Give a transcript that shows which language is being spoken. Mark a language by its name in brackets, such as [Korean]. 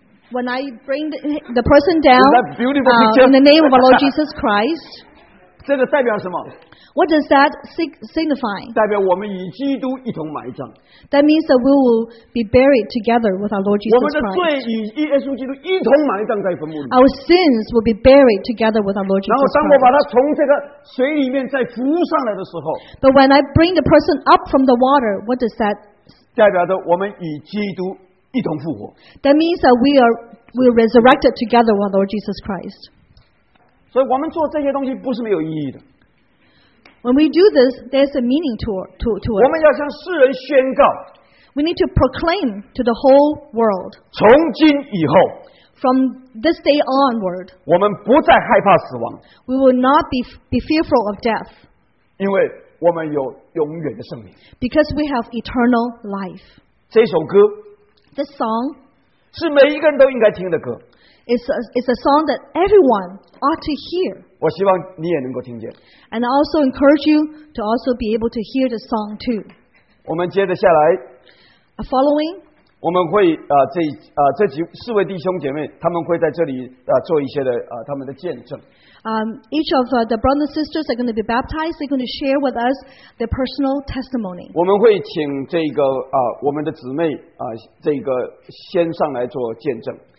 [English] When I bring the person down in the name of our Lord Jesus Christ, [Chinese] 这个代表什么？ [English] What does that signify? [Chinese] 代表我们与基督一同埋葬。 [English] That means that we will be buried together with our Lord Jesus Christ. [Chinese] 我们的罪与耶稣基督一同埋葬在坟墓里。 [English] Our sins will be buried together with our Lord Jesus Christ. [Chinese] 然后当我把他从这个水里面再浮上来的时候， [English] But when I bring the person up from the water, what does that? [Chinese] 代表着我们与基督一同复活。 [English] That means that we are resurrected together with our Lord Jesus Christ. [Chinese] 所以我们做这些东西不是没有意义的。 [English] When we do this, there's a meaning to it. [Chinese] 我们要向世人宣告。 [English] We need to proclaim to the whole world. [Chinese] 从今以后。 [English] From this day onward. [Chinese] 我们不再害怕死亡。 [English] We will not be fearful of death. [Chinese] 因为我们有永远的生命。 [English] Because we have eternal life. [Chinese] 这首歌。 [English] This song. [Chinese] 是每一个人都应该听的歌。 [English] It's a song that everyone ought to hear. [Chinese] 我希望你也能够听见。 [English] And I also encourage you to also be able to hear the song too. [Chinese] 我们接着下来。 [English] Following. [Chinese] 我们会这几四位弟兄姐妹，他们会在这里做一些的他们的见证。 [English] Each of the brothers and sisters are going to be baptized. They're going to share with us their personal testimony. [Chinese] 我们会请这个我们的姊妹这个先上来做见证。